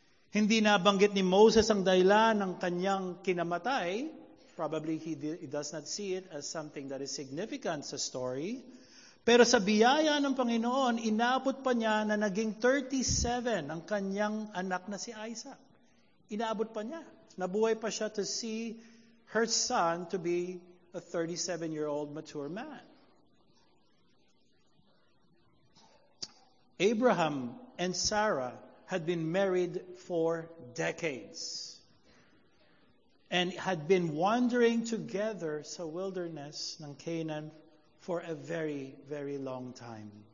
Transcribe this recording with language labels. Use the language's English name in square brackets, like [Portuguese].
[Filipino] Hindi nabanggit ni Moses ang dahilan ng kanyang kinamatay. [English] Probably he does not see it as something that is significant sa story. [Filipino] Pero sa biyaya ng Panginoon, inabot pa niya na naging 37 ang kanyang anak na si Isaac. Inabot pa niya. Nabuhay pa siya [English] to see her son to be a 37-year-old mature man. Abraham and Sarah had been married for decades and had been wandering together [Filipino] sa wilderness ng Canaan [English] for a very, very long time.